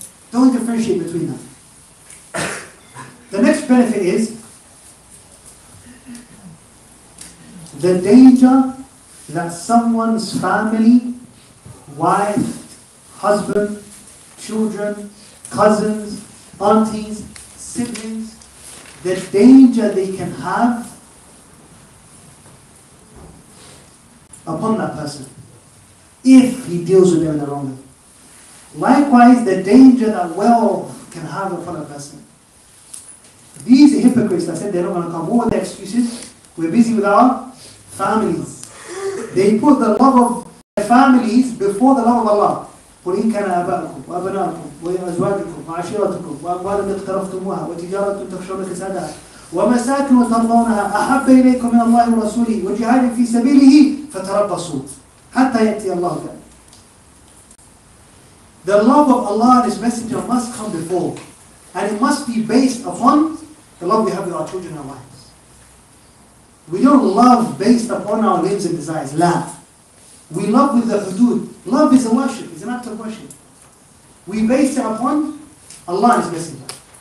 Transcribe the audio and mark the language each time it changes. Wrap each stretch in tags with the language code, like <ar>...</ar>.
<en>Don't differentiate between them. The next benefit is the danger that someone's family, wife, husband, children, cousins, aunties, siblings, the danger they can have upon that person, if he deals with them in the wrong way. Likewise, the danger that wealth can have upon a person. These hypocrites that said they're not going to come, what are their excuses? We're busy with our families. They put the love of their families before the love of Allah.</en> <ar>قُلْ إِنْ كَانَ أَبَاءُكُمْ وَأَبَنَاءُكُمْ وَأَزْوَاجُكُمْ وَعَشِيرَتُكُمْ وَأَمْوَالٌ اقْتَرَفْتُمُوهَا وَتِجَارَةٌ تَخْشَوْنَ كَسَادَهَا ومساكن ترضونها أحب إليكم من الله ورسوله وجهاد في سبيله فتربصوا حتى يأتي الله بأمر.</ar> <en>The love of Allah and His Messenger must come before, and it must be based upon the love we have with our children and our wives. We don't love based upon our limbs and desires. Love. We love with the hudud. Love is a worship, it's an act of worship. We base it upon Allah and His Messenger.</en>